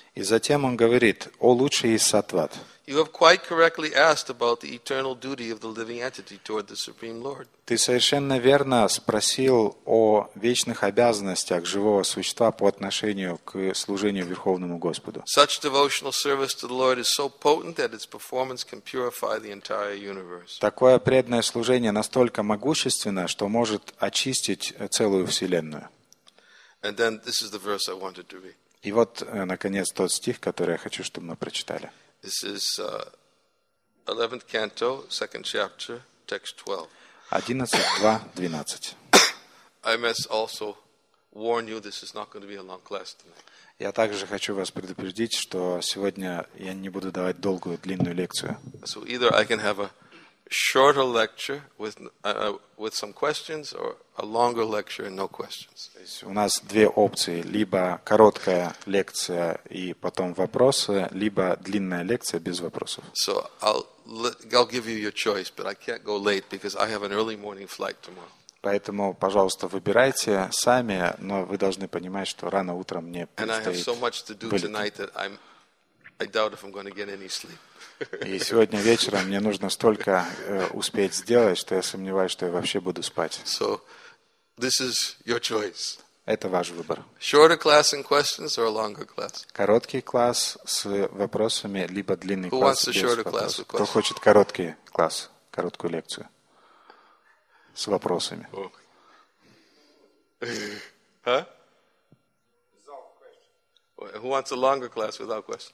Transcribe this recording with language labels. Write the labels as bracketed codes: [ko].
[ru] И затем он говорит, о лучший из сатват. [en] You have quite correctly asked about the eternal duty of the living entity toward the Supreme Lord. [ru] Ты совершенно верно спросил о вечных обязанностях живого существа по отношению к служению Верховному Господу. [en] Such devotional service to the Lord is so potent that its performance can purify the entire universe. [ru] Такое преданное служение настолько могущественно, что может очистить целую вселенную. [en] And then this is the verse I wanted to read. [ru] И вот, наконец, тот стих, который я хочу, чтобы мы прочитали. [en] This is 11th canto, 2nd chapter, text 12. I must also warn you, this is not going to be a long class tonight. [ru] Я также хочу вас предупредить, что сегодня я не буду давать долгую, длинную лекцию. [en] So either I can have a shorter lecture with some questions or a longer lecture and no questions. [ru] У нас две опции: либо короткая лекция и потом вопросы, либо длинная лекция без вопросов. [en] So I'll give you your choice, but I can't go late because I have an early morning flight tomorrow. [ru] Поэтому, пожалуйста, выбирайте сами, но вы должны понимать, что рано утром мне предстоит. [en] And I have so much to do tonight that I doubt if I'm going to get any sleep. [ru] И сегодня вечером мне нужно столько успеть сделать, что я сомневаюсь, что я вообще буду спать. [en] So, this is your choice. [ru] Это ваш выбор. [en] Shorter class and questions or a longer class? [ru] Короткий класс с вопросами, либо длинный [en] Who [ru] класс [en] wants a shorter class with questions? [ru] Кто хочет короткий класс, короткую лекцию с вопросами? [en] Who wants a longer class without questions?